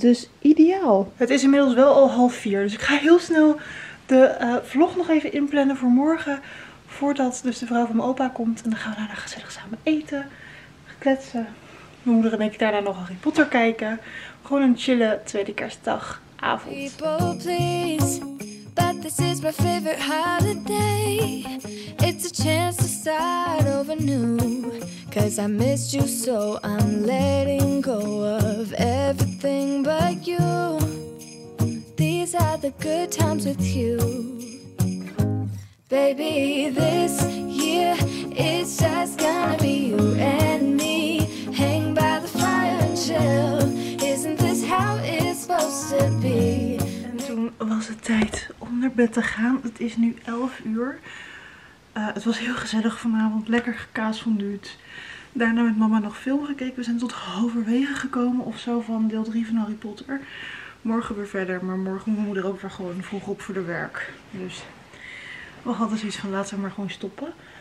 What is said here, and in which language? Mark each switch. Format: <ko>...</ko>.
<nl>Dus ideaal. Het is inmiddels wel al 4:30. Dus ik ga heel snel de vlog nog even inplannen voor morgen. Voordat dus de vrouw van mijn opa komt. En dan gaan we daarna gezellig samen eten. Kletsen. Mijn moeder en ik daarna nog Harry Potter kijken. Gewoon een chille tweede kerstdag avond.</nl> <en>People, please. But this is my favorite holiday. It's a chance to start over new. 'Cause I missed you so I'm letting go of everything but you. These are the good times with you. Baby, this year it's just gonna be you and me. Hang by the fire and chill. Isn't this how it's supposed to be?</en> <nl>Toen was het tijd om naar bed te gaan. Het is nu 11:00. Het was heel gezellig vanavond. Lekker kaasfonduut. Daarna met mama nog film gekeken. We zijn tot halverwege gekomen of zo van deel 3 van Harry Potter. Morgen weer verder. Maar morgen moet mijn moeder ook weer gewoon vroeg op voor de werk. Dus we hadden zoiets van laten we maar gewoon stoppen.</nl>